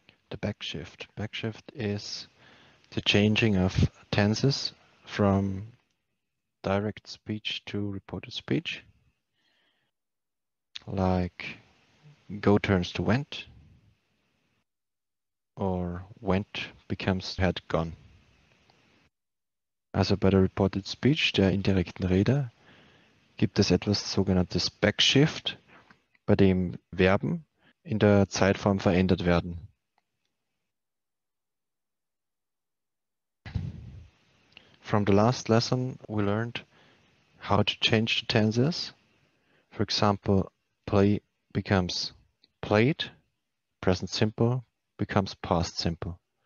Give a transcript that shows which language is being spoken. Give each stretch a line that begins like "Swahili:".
English: The backshift. Backshift is the changing of tenses from direct speech to reported speech, like go turns to went, or went becomes had gone.
German: Also bei der reported speech, der indirekten Rede, gibt es etwas sogenanntes Backshift, bei dem Verben in der Zeitform verändert werden.
English: From the last lesson, we learned how to change the tenses. For example, play becomes played, present simple becomes past simple.